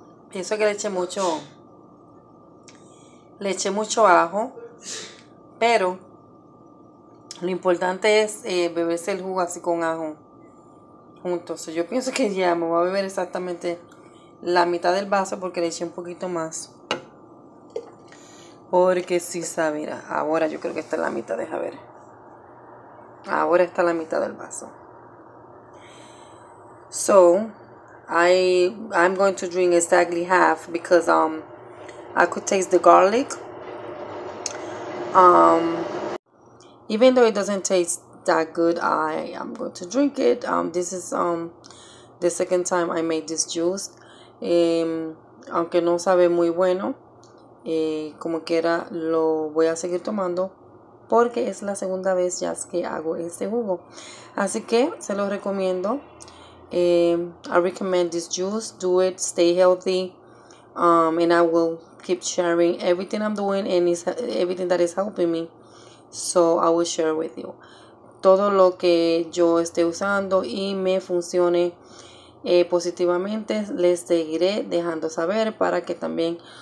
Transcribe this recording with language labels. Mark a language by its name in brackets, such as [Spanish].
[Spanish] Pienso que le eché mucho ajo, pero lo importante es beberse el jugo así con ajo juntos. So, yo pienso que ya me voy a beber exactamente la mitad del vaso porque le eché un poquito más. Porque si sabe, mira, ahora yo creo que está en la mitad, deja ver. Ahora está en la mitad del vaso. [English] So, I'm going to drink exactly half because I could taste the garlic. Even though it doesn't taste that good, I'm going to drink it. This is the second time I made this juice. [Spanish] Aunque no sabe muy bueno. Como quiera lo voy a seguir tomando porque es la segunda vez ya que hago este jugo, así que se lo recomiendo. [English] I recommend this juice, do it, stay healthy, and I will keep sharing everything I'm doing and everything that is helping me, so I will share with you [Spanish] todo lo que yo esté usando y me funcione positivamente. Les seguiré dejando saber para que también